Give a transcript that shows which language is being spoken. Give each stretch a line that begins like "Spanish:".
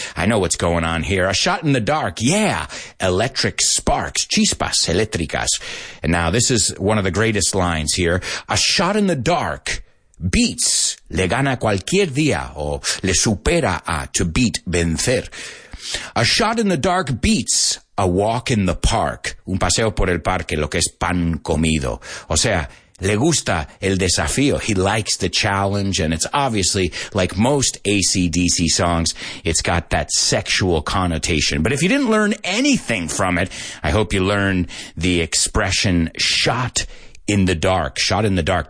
English: I know what's going on here. A shot in the dark, yeah. Electric sparks,
Spanish: chispas eléctricas.
English: And now this is one of the greatest lines here. A shot in the dark beats,
Spanish: le gana cualquier día, o le supera a,
English: to beat, vencer. A shot in the dark beats a walk in the park.
Spanish: Un paseo por el parque, lo que es pan comido. O sea, le gusta el desafío.
English: He likes the challenge, and it's obviously, like most AC/DC songs, it's got that sexual connotation. But if you didn't learn anything from it, I hope you learned the expression shot in the dark. Shot in the dark.